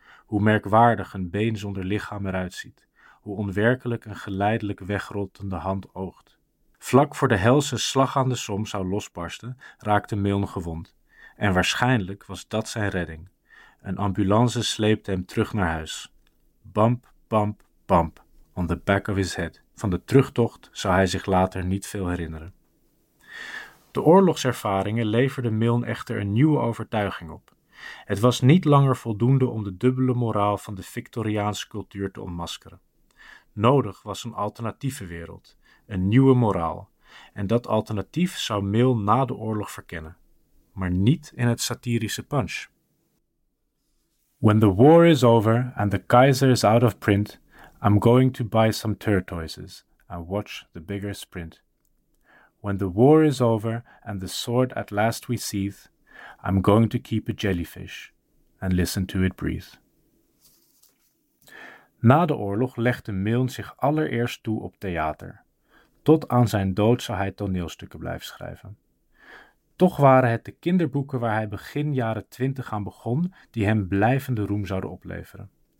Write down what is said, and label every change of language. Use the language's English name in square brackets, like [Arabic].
[Dutch] Hoe merkwaardig een been zonder lichaam eruit ziet. Hoe onwerkelijk een geleidelijk wegrottende hand oogt. Vlak voor de helse slag aan de Somme zou losbarsten, raakte Milne gewond. En waarschijnlijk was dat zijn redding. Een ambulance sleepte hem terug naar huis. [English] Bump, bump, bump, on the back of his head. [Dutch] Van de terugtocht zou hij zich later niet veel herinneren. De oorlogservaringen leverden Milne echter een nieuwe overtuiging op. Het was niet langer voldoende om de dubbele moraal van de Victoriaanse cultuur te ontmaskeren. Nodig was een alternatieve wereld, een nieuwe moraal, en dat alternatief zou Mill na de oorlog verkennen, maar niet in het satirische Punch. [English] When the war is over and the Kaiser is out of print, I'm going to buy some tortoises and watch the bigger sprint. When the war is over and the sword at last we sheathe, I'm going to keep a jellyfish and listen to it breathe. [Dutch] Na de oorlog legde Milne zich allereerst toe op theater. Tot aan zijn dood zou hij toneelstukken blijven schrijven. Toch waren het de kinderboeken waar hij begin jaren 20 aan begon, die hem blijvende roem zouden opleveren.